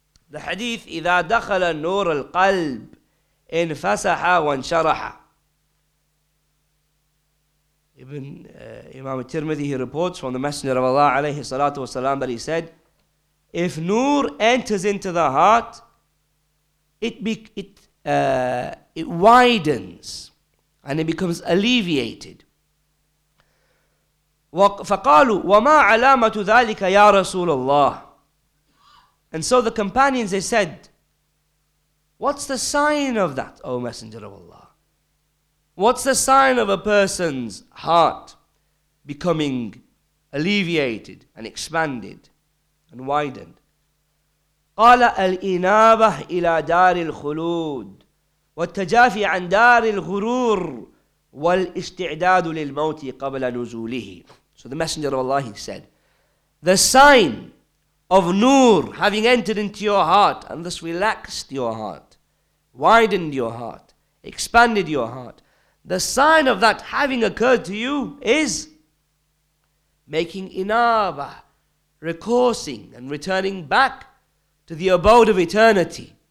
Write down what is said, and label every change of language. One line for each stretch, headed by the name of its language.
English: The hadith,
Arabic: إذا دخل نور القلب انفسح وانشرح.
English: Ibn Imam Tirmidhi, he reports from the Messenger of Allah
Arabic: عليه الصلاة والسلام
English: that he said, if nur enters into the heart, it widens and it becomes alleviated.
Arabic: فقالوا وما علامة ذلك يا رسول الله.
English: And so the companions, they said, what's the sign of that, O Messenger of Allah? What's the sign of a person's heart becoming alleviated and expanded and widened?
Arabic: قال الإنابة إلى دار الخلود والتجافي عن دار الغرور والاستعداد للموت قبل نزوله.
English: So the Messenger of Allah, he said, the sign of nur having entered into your heart and thus relaxed your heart, widened your heart, expanded your heart, the sign of that having occurred to you is making inaba, recoursing and returning back to the abode of eternity.